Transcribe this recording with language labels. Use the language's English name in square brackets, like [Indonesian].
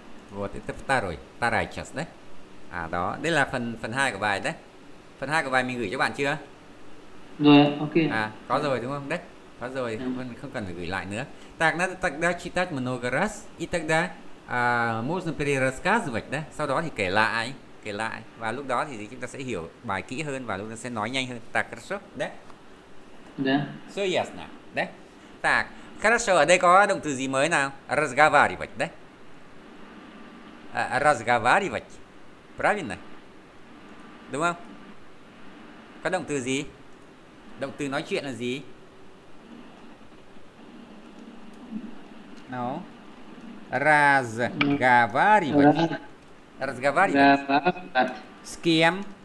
[Russian] Вот это второй, вторая часть, да? [Vietnamese] Đó, đây là phần phần hai của bài đấy. Phần hai của bài mình gửi cho bạn chưa? À, có rồi đúng không? Đấy, có rồi, không không cần phải gửi lại nữa. [Russian] Так, надо тогда читать много раз, и тогда можно перерассказывать, да? [Vietnamese] Sau đó thì kể lại, và lúc đó thì chúng ta sẽ hiểu bài kỹ hơn và chúng ta sẽ nói nhanh hơn. [Russian] Так, хорошо, đấy. So, yes, nào, đấy. Так, хорошо, [Vietnamese] ở đây có động từ gì mới nào? [Russian] Разговаривать, đấy. Разговаривать. Правильно? [Vietnamese] Đúng không? Có động từ gì? Động từ nói chuyện là gì? [Russian] Nào. Разговаривать. Разговаривать. С кем?